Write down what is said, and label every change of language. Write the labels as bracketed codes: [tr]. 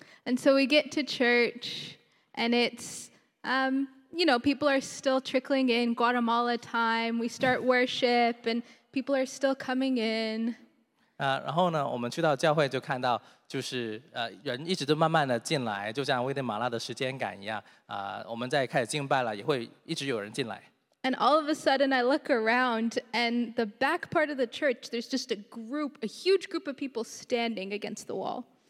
[en] And so we get to church, and it's, you know, people are still trickling in Guatemala time. We start worship, and people are still coming in. [zh] 然后呢，我们去到教会就看到，就是人一直都慢慢的进来，就像危地马拉的时间赶一样，我们在开始敬拜了，也会一直有人进来。 [en] And all of a sudden, I look around, and the back part of the church, there's just a group, a huge group of people standing against the wall.